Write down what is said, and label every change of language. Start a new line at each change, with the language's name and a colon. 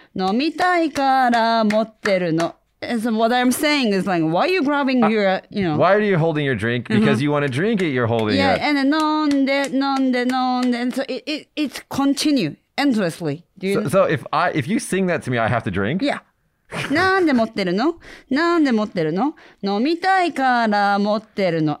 Japanese: 飲みたいから持ってるの。
English: And so what I'm saying is like, why are you grabbing your, you know? Why are you holding your drink? Because you want to drink it, you're holding yeah, it. Yeah, and then
Japanese: 飲んで、飲んで、飲んで。
English: And so it's continue, endlessly. So if you sing that to me, I have to drink?
Japanese: Yeah. なんで持ってるの?なんで持ってるの? 飲みたいから持ってるの。